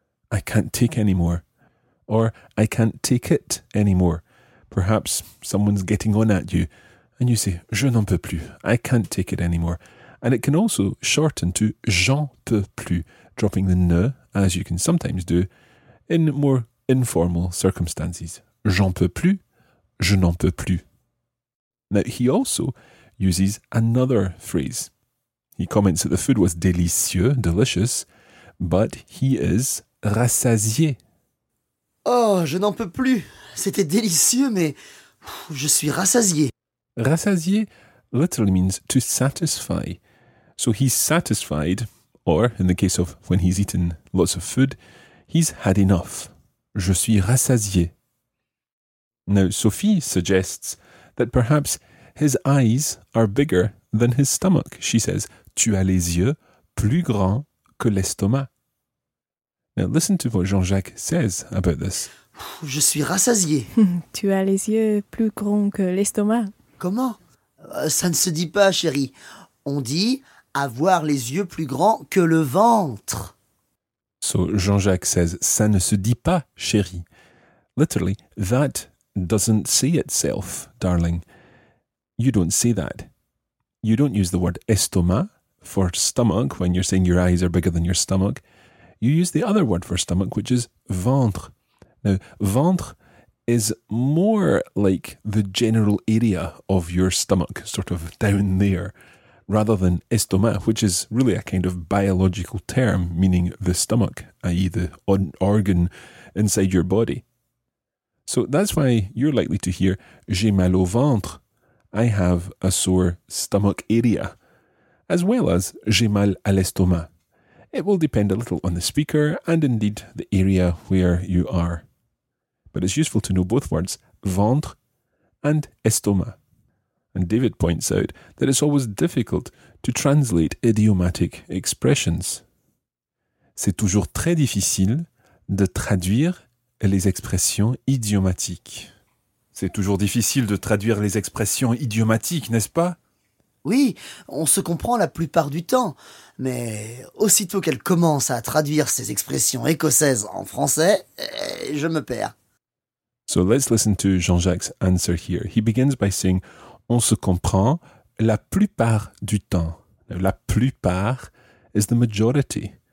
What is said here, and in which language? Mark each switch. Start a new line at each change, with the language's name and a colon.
English: I can't take anymore. Or I can't take it anymore. Perhaps someone's getting on at you, and you say,
French: je n'en peux plus,
English: I can't take it anymore. And it can also shorten to
French: j'en peux plus,
English: dropping the ne, as you can sometimes do, in more informal circumstances.
French: J'en peux plus, je n'en peux plus.
English: Now, he also uses another phrase. He comments that the food was délicieux, delicious, but he is rassasié.
French: Oh, je n'en peux plus. C'était délicieux, mais je suis rassasié.
English: Rassasié literally means to satisfy. So he's satisfied, or in the case of when he's eaten lots of food, he's had enough.
French: Je suis rassasié.
English: Now, Sophie suggests that perhaps his eyes are bigger than his stomach. She says,
French: tu as les yeux plus grands que l'estomac.
English: Now, listen to what Jean-Jacques says about this.
French: Je suis rassasié. Tu as les yeux plus grands que l'estomac. Comment ? Ça ne se dit pas, chérie. On dit avoir les yeux plus grands que le ventre.
English: So Jean-Jacques says,
French: ça ne se dit pas, chérie.
English: Literally, that doesn't say itself, darling. You don't say that. You don't use the word estomac for stomach when you're saying your eyes are bigger than your stomach. You use the other word for stomach, which is ventre. Now, ventre is more like the general area of your stomach, sort of down there. rather than estomac, which is really a kind of biological term meaning the stomach, i.e. the organ inside your body. So that's why you're likely to hear
French: j'ai mal au ventre,
English: I have a sore stomach area, as well as
French: j'ai mal à l'estomac.
English: It will depend a little on the speaker and indeed the area where you are. But it's useful to know both words, ventre and estomac. And David points out that it's always difficult to translate idiomatic expressions.
French: C'est toujours très difficile de traduire les expressions idiomatiques. C'est toujours difficile de traduire les expressions idiomatiques, n'est-ce pas? Oui, on se comprend la plupart du temps. Mais aussitôt qu'elle commence à traduire ses expressions écossaises en français, je me perds.
English: So let's listen to Jean-Jacques' answer here. He begins by saying,
French: on se comprend la plupart du temps.
English: Now, la plupart is the majority.